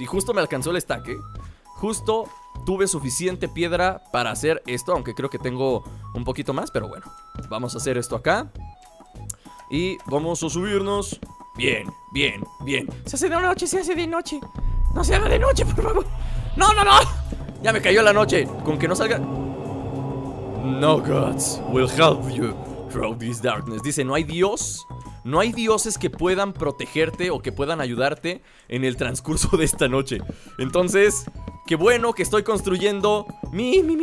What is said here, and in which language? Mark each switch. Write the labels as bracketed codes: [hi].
[es] Y justo me alcanzó el stack, ¿eh? Justo tuve suficiente piedra para hacer esto, aunque creo que tengo un poquito más, pero bueno. Vamos a hacer esto acá. Y vamos a subirnos. Bien, bien, bien. Se hace de noche, se hace de noche. No se haga de noche, por favor. ¡No, no, no! Ya me cayó la noche. Con que no salga... [en] No gods will help you through this darkness. [es] Dice, no hay dios. No hay dioses que puedan protegerte o que puedan ayudarte en el transcurso de esta noche. Entonces, qué bueno que estoy construyendo mi.